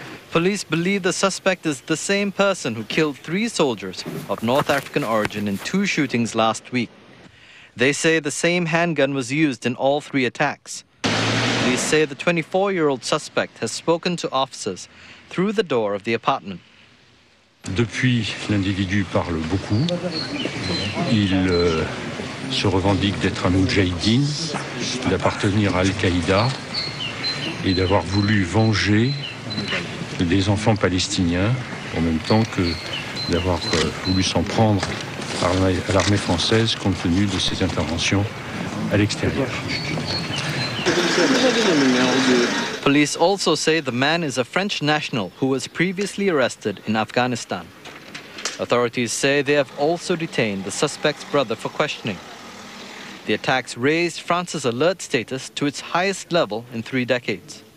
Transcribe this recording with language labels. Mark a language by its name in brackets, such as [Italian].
[English] Police believe the suspect is the same person who killed three soldiers of North African origin in two shootings last week. They say the same handgun was used in all three attacks. Police say the 24-year-old suspect has spoken to officers through the door of the apartment. [French] Depuis, l'individu parle beaucoup. Il se revendique d'être un Mujahideen, d'appartenir à Al-Qaïda et d'avoir voulu venger des enfants palestiniens en même temps que d'avoir voulu s'en prendre à l'armée française compte tenu de ses interventions à l'extérieur. [English] Police also say the man is a French national who was previously arrested in Afghanistan. Authorities say they have also detained the suspect's brother for questioning. The attacks raised France's alert status to its highest level in 3 decades.